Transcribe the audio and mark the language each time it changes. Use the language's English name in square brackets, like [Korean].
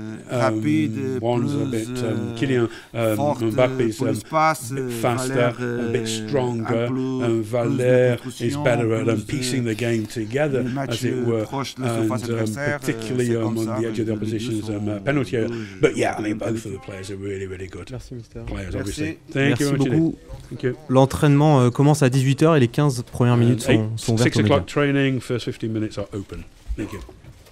[English] One's a bit Kylian Mbappé's a bit faster, a bit stronger, and Valère is better at piecing the game together, as it were, and particularly on the edge of the opposition's penalty area. But yeah, I mean, both of the players are really, really good players, obviously. Thank you very much. Thank you. [French] L'entraînement commence à 18h et les 15 premières minutes sont ouvertes. [English] 6 o'clock training, first 15 minutes are open. Thank you.